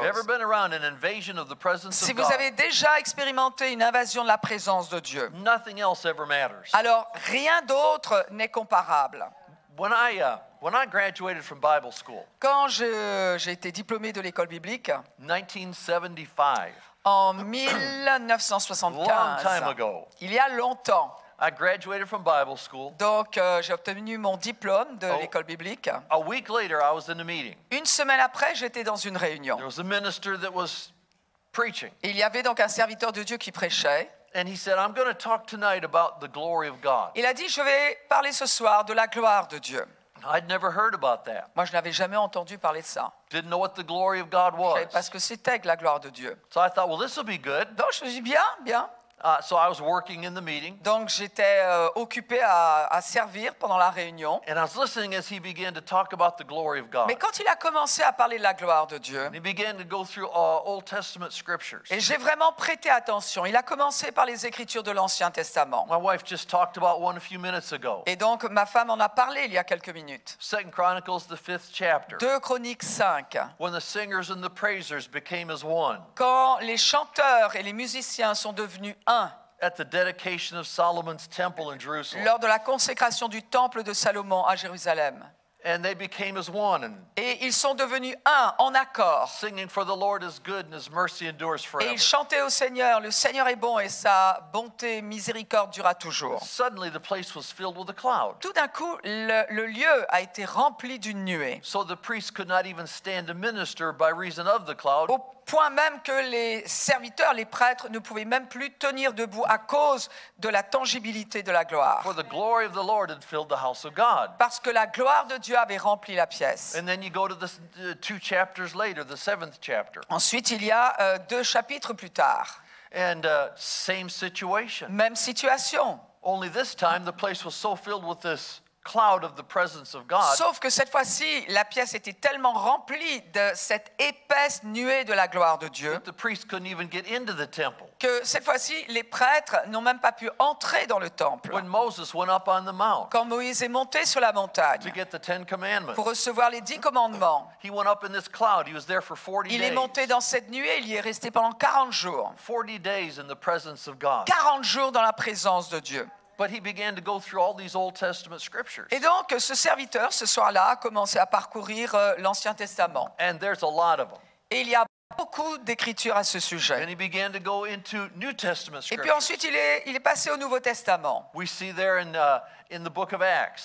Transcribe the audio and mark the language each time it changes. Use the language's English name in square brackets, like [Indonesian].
[English] if you've ever been around an invasion of the presence of God, [French] si vous avez déjà expérimenté une invasion de la présence de Dieu, [English] nothing else ever matters. [French] Alors rien d'autre n'est comparable. [English] When I graduated from Bible school, [French] quand j'ai été diplômé de l'école biblique, [English] 1975, [French] en 1975, [English] long time ago, [French] il y a longtemps, [English] I graduated from Bible school. [French] Donc j'ai obtenu mon diplôme de l'école biblique. [English] A week later, I was in a meeting. [French] Une semaine après, j'étais dans une réunion. [English] There was a minister that was preaching. [French] Il y avait donc un serviteur de Dieu qui prêchait. [English] And he said, "I'm going to talk tonight about the glory of God." [French] Il a dit, je vais parler ce soir de la gloire de Dieu. [English] I'd never heard about that. [French] Moi, je n'avais jamais entendu parler de ça. [English] Didn't know what the glory of God was. [French] Je savais pas ce que c'était que la gloire de Dieu. [English] So I thought, well, this will be good. [French] Donc je me suis dit, bien. [English] So I was working in the meeting. [French] Donc j'étais occupé à servir pendant la réunion. [English] And I was listening as he began to talk about the glory of God. [French] Mais quand il a commencé à parler de la gloire de Dieu, [English] and he began to go through Old Testament scriptures. [French] Et j'ai vraiment prêté attention. Il a commencé par les écritures de l'Ancien Testament. [English] My wife just talked about one a few minutes ago. [French] Et donc ma femme en a parlé il y a quelques minutes. [English] Second Chronicles, the fifth chapter. [French] Deux Chroniques 5. [English] When the singers and the praisers became as one. [French] Quand les chanteurs et les musiciens sont devenus [English] at the dedication of Solomon's temple in Jerusalem. [French] Lors de la consécration du temple de Salomon à Jérusalem. [English] And they became as one. [French] Et ils sont devenus un en accord. [English] Singing for the Lord is good and his mercy endures forever. [French] Et ils chantaient au Seigneur, le Seigneur est bon et sa bonté, miséricorde dura toujours. [English] Suddenly the place was filled with a cloud. [French] Tout d'un coup, le lieu a été rempli d'une nuée. [English] So the priest could not even stand to minister by reason of the cloud. [French] Au point même que les serviteurs, les prêtres ne pouvaient même plus tenir debout à cause de la tangibilité de la gloire. [English] For the glory of the Lord had filled the house of God. [French] Parce que la gloire de Dieu avait rempli la pièce. [English] And then you go to the two chapters later, the seventh chapter. [French] Ensuite, il y a deux chapitres plus tard. [English] And same situation. [French] Même situation. [English] Only this time the place was so filled with this cloud of the presence of God. [French] Sauf que cette fois-ci, la pièce était tellement remplie de cette épaisse nuée de la gloire de Dieu. [English] The priests couldn't even get into the temple. [French] Que cette fois-ci, les prêtres n'ont même pas pu entrer dans le temple. [English] When Moses went up on the mount. [French] Quand Moïse est monté sur la montagne. [English] To get the Ten Commandments. [French] Pour recevoir les dix commandements. [English] He went up in this cloud. He was there for 40 days. [French] Il est monté dans cette nuée. Il y est resté pendant 40 jours. [English] 40 days in the presence of God. [French] 40 jours dans la présence de Dieu. [English] But he began to go through all these Old Testament scriptures. [French] Et donc, ce serviteur, ce soir-là, a commencé à parcourir l'Ancien Testament. [English] And there's a lot of them. [French] Et il y a beaucoup d'écritures à ce sujet. [English] And he began to go into New Testament scriptures. [French] Et puis ensuite, il est passé au Nouveau Testament. [English] We see there in the book of Acts.